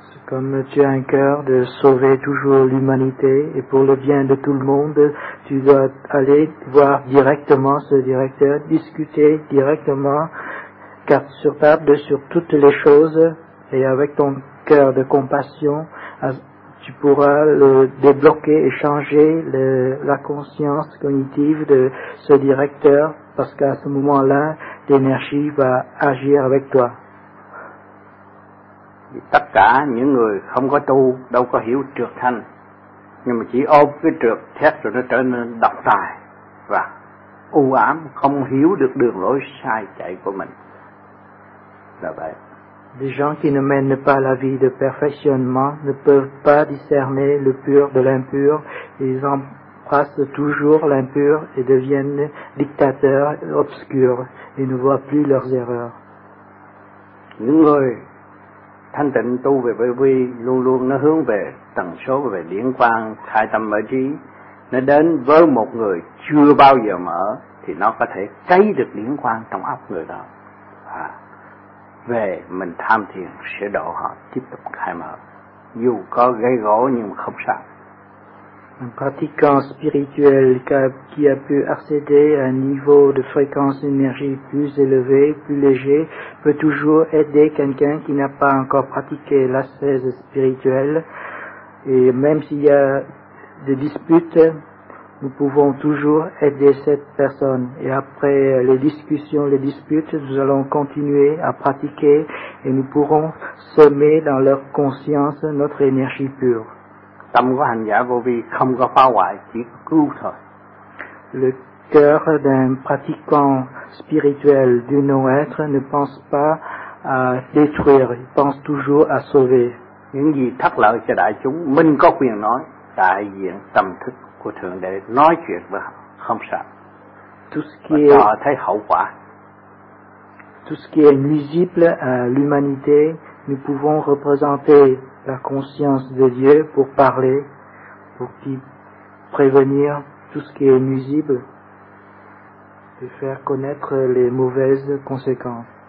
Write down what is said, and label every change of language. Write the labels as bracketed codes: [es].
[fr] comme tu as un cœur de sauver toujours l'humanité et pour le bien de tout le monde, tu dois aller voir directement ce directeur, discuter directement, carte sur table, sur toutes les choses, et avec ton cœur de compassion, tu pourras le débloquer et changer la conscience cognitive de ce directeur, parce qu'à ce moment-là, l'énergie va agir avec toi. [vi] Tất cả những người không có tu đâu có hiểu trược thanh, nhưng mà chỉ ôm cái trược thét rồi nó trở nên độc tài và u ám, không hiểu được đường lối sai chạy của mình. Là vậy. [fr] Des gens qui ne mènent pas la vie de perfectionnement ne peuvent pas discerner le pur de l'impur. Ils embrassent toujours l'impur et deviennent dictateurs obscurs et ne voient plus leurs erreurs. [vi] Những người thanh tịnh tu về vi vi luôn luôn nó hướng về tần số về điển quang khai tâm mở trí, nó đến với một người chưa bao giờ mở thì nó có thể cấy được điển quang trong óc người đó và về mình tham thiền sẽ độ họ tiếp tục khai mở dù có gây gỗ nhưng mà không sao. [fr] Un pratiquant spirituel qui a pu accéder à un niveau de fréquence d'énergie plus élevé, plus léger, peut toujours aider quelqu'un qui n'a pas encore pratiqué l'ascèse spirituelle. Et même s'il y a des disputes, nous pouvons toujours aider cette personne. Et après les discussions, les disputes, nous allons continuer à pratiquer et nous pourrons semer dans leur conscience notre énergie pure. [vi] Tâm của hành giả vô vi không có phá hoại, chỉ cứu thôi. [fr] Le cœur d'un pratiquant spirituel du non-être ne pense pas à détruire, il pense toujours à sauver. [vi] Những gì thất lợi cho đại chúng, mình có quyền nói, đại diện tâm thức của Thượng Đế nói chuyện với họ, không sợ. [fr] Tout ce qui est, [vi] thấy hậu quả. [fr] Tout ce qui est nuisible à l'humanité, nous pouvons représenter la conscience de Dieu pour parler, pour qui prévenir tout ce qui est nuisible et faire connaître les mauvaises conséquences.